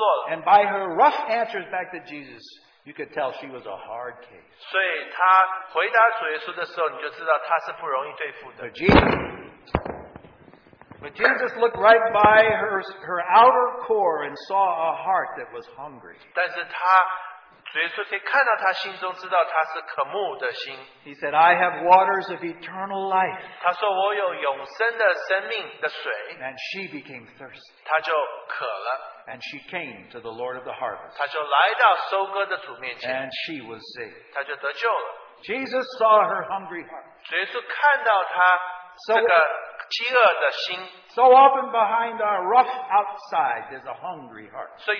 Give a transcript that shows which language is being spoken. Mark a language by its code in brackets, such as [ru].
[en] And by her rough answers back to Jesus, you could tell she was a hard case. [zh] 所以她回答主耶稣的时候，你就知道她是不容易对付的。 [en] But Jesus looked right by her outer core and saw a heart that was hungry. [zh] 但是他，主耶稣可以看到他心中，知道他是渴慕的心。 [en] He said, "I have waters of eternal life." [zh] 他说，我有永生的生命的水。 [en] And she became thirsty. [zh] 她就渴了。 [en] And she came to the Lord of the harvest. [zh] 她就来到收割的主面前, [en] and she was saved. [zh] 她就得救了。 [en] Jesus saw her hungry heart. [zh] 耶稣看到她这个饥饿的心。 [en] So often behind our rough outside is a hungry heart.